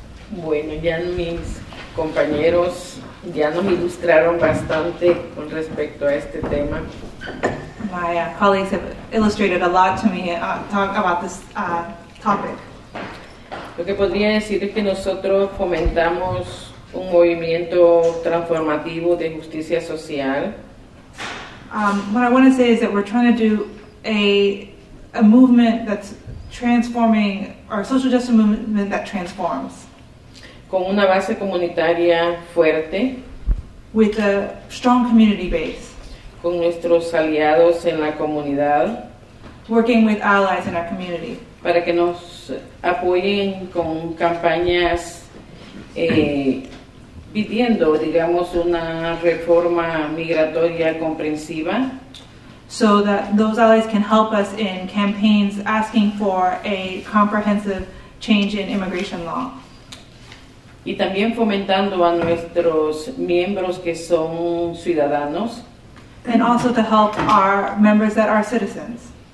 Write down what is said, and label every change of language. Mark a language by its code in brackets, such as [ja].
[es] Bueno, ya mis compañeros ya nos ilustraron bastante con respecto a este tema. [en] My colleagues have illustrated a lot to me talk about this topic. [es] Lo que podría decir es que nosotros fomentamos un movimiento transformativo de justicia social. [en] What I want to say is that we're trying to do a movement that's transforming, or a social justice movement that transforms. [es] Con una base comunitaria fuerte. [en] With a strong community base. [es] Con nuestros aliados en la comunidad. [en] Working with allies in our community. [es] Para que nos apoyen con campañas pidiendo, digamos, una reforma migratoria comprensiva. [en] So that those allies can help us in campaigns asking for a comprehensive change in immigration law. [es] Y también fomentando a nuestros miembros que son ciudadanos. [en] And also to help our members that are citizens.